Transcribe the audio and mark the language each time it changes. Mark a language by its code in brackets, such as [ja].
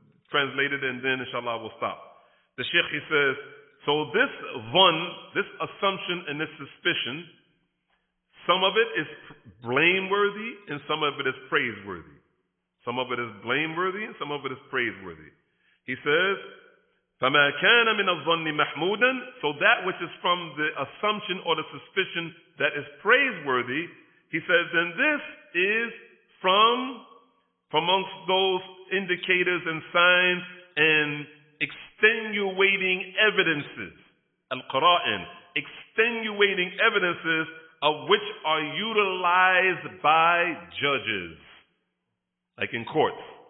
[en] Translated, and then inshallah we'll stop. The Sheikh, he says, so this one, this assumption and this suspicion, some of it is blameworthy and some of it is praiseworthy. Some of it is blameworthy and some of it is praiseworthy. He says, [ar] فَمَا كَانَ مِنَ الظَّنِّ مَحْمُودًا. [en] So that which is from the assumption or the suspicion that is praiseworthy, he says, then this is from amongst those indicators and signs and extenuating evidences, al-qara'in, extenuating evidences of which are utilized by judges, like in courts.